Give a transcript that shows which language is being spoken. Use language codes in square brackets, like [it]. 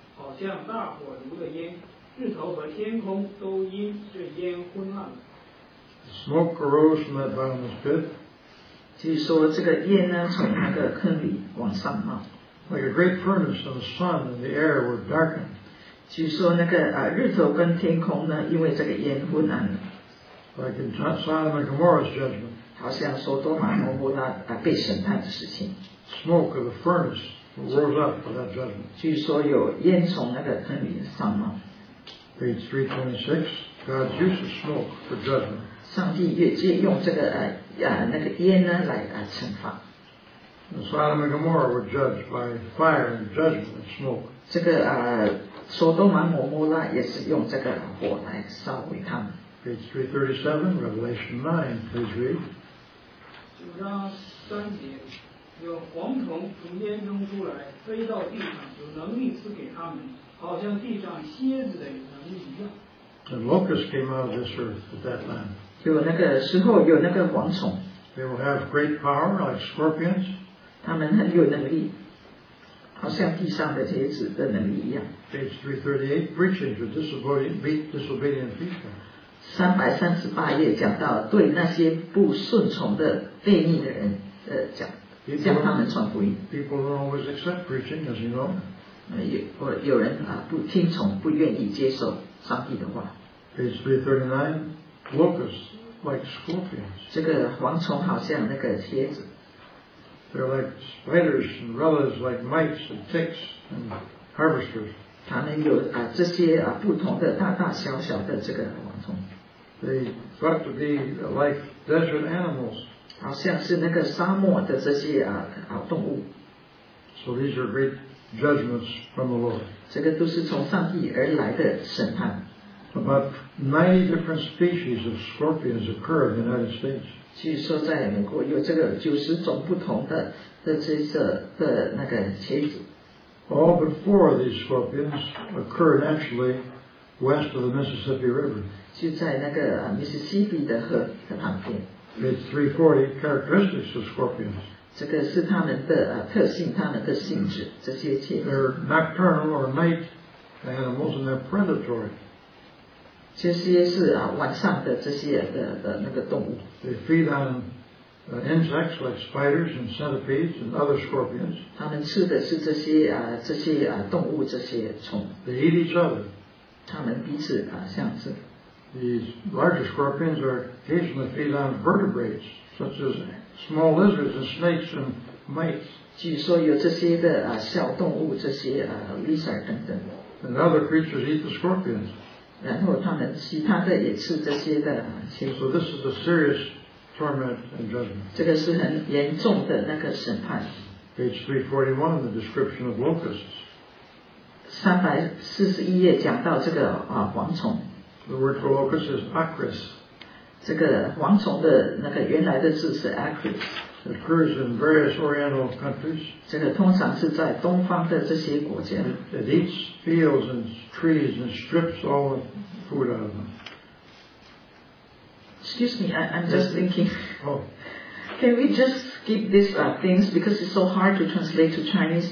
[zh] 好像大火炉的烟，日头和天空都因这烟昏暗了。 [en] Smoke arose from that bottomless pit. [zh] 据说这个烟呢，从那个坑里往上冒。 [en] Like a great furnace, and the sun and the air were darkened. [zh] 据说那个日头跟天空呢，因为这个烟昏暗了。 [en] Like in Sodom and Gomorrah's judgment. [zh] 好像说多玛摩摩那被审判的事情。 [en] Smoke of the furnace. Rose up for that judgment. [zh] 据说有烟从那个坑里上冒。 [en] Page 326. God's use of smoke for judgment. [zh] 上帝也借用这个那个烟呢来惩罚。 [en] Sodom and Gomorrah were judged by fire and judgment and smoke. [zh] 这个索多玛摩摩拉也是用这个火来烧毁他们。 [en] Page 337. Revelation 9. Please read. 9:3. [zh] 有蝗虫从烟中出来，飞到地上，有能力赐给他们，好像地上蝎子的有能力一样。 [en] And locusts came out of this earth at that time. [zh] 有那个时候有那个蝗虫。 [en] They will have great power like scorpions. [zh] 他们很有能力，好像地上的蝎子的能力一样。 [en] Page 338, preaching to disobedient people. [zh] 338页讲到对那些不顺从的悖逆的人讲。 [en] People don't always accept preaching, as you know. [zh] 有人不听从，不愿意接受上帝的话。 [en] Page 339, locusts like scorpions. [zh] 这个蝗虫好像那个蝎子。 [en] They're like spiders and relatives like mites and ticks and harvesters. [zh] 他们有这些不同的大大小小的这个蝗虫。 [en] They got to be like desert animals. [zh] 好像是那个沙漠的这些动物。 [en] So these are great judgments from the Lord. [zh] 这个都是从上帝而来的审判。 [en] About 90 different species of scorpions occur in the United States. [zh] 据说在美国有这个90种不同的这些的那个蝎子。 [en] All but four of these scorpions occur naturally west of the Mississippi River. [zh] 就在那个密西西比的河的旁边。 [en] It's 340 characteristics of scorpions. [zh] 这个是他们的特性，他们的性质，这些蝎子。 [en] They're nocturnal or night animals, and they're predatory. [zh] 这些是晚上的这些的那个动物。 [en] They feed on insects like spiders and centipedes and other scorpions. [zh] 他们吃的是这些动物这些虫。 [en] They eat each other. [zh] 他们彼此相吃。 [en] These larger scorpions are occasionally feed on vertebrates, such as small lizards and snakes and mites. [zh] 据说有这些的小动物，这些lizard 等等。 [en] And other creatures eat the scorpions. [zh] 然后他们其他的也吃这些的。 [en] So this is a serious torment and judgment. [zh] 这个是很严重的那个审判。 [en] Page 341, the description of locusts. [zh] 341页讲到这个啊蝗虫。 [en] The word for locust is acris. [zh] 这个蝗虫的那个原来的字是 acris。 [en] It occurs in various Oriental countries. [zh] 这个通常是在东方的这些国家。 [en] It eats fields and trees and strips all the food out of them. Excuse me, I'm just thinking. Oh. Can we just skip these things because it's so hard to translate to Chinese?